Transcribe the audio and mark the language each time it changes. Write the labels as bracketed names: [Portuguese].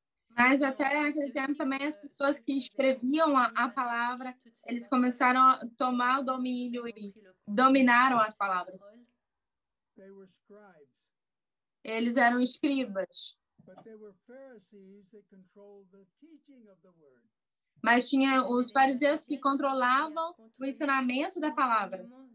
[Portuguese] Mas até aquele tempo também as pessoas que escreviam a palavra, eles começaram a tomar o domínio e dominaram as palavras. [English] They were scribes. [Portuguese] Eles eram escribas. [English] But there were Pharisees that controlled the teaching of the word. [Portuguese] Mas tinha os fariseus que controlavam o ensinamento da palavra.